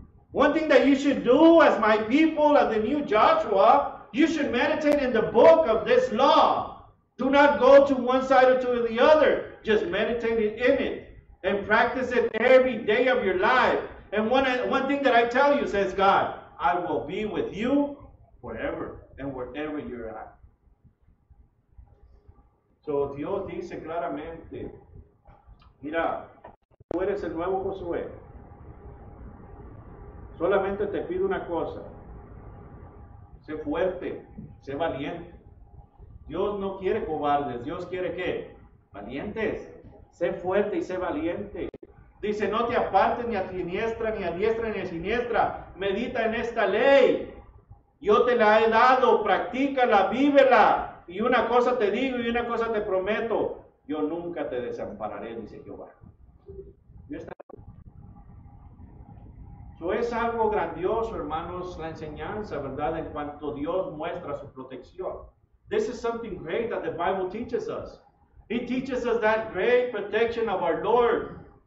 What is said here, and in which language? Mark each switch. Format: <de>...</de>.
<en>One thing that you should do as my people, as the new Joshua, you should meditate in the book of this law. Do not go to one side or to the other. Just meditate in it and practice it every day of your life. And one thing that I tell you, says God, I will be with you forever and wherever you're at.</en> <es>So Dios dice claramente, mira, tú eres el nuevo Josué. Solamente te pido una cosa. Sé fuerte, sé valiente. Dios no quiere cobardes. Dios quiere ¿qué? Valientes. Sé fuerte y sé valiente. Dice, no te apartes ni a siniestra, ni a diestra, ni a siniestra. Medita en esta ley. Yo te la he dado. Practícala, vívela. Y una cosa te digo y una cosa te prometo. Yo nunca te desampararé, dice Jehová. Eso es algo grandioso, hermanos, la enseñanza, ¿verdad? En cuanto Dios muestra su protección.</es> <en>This is something great that the Bible teaches us. It teaches us that great protection of our Lord.</en>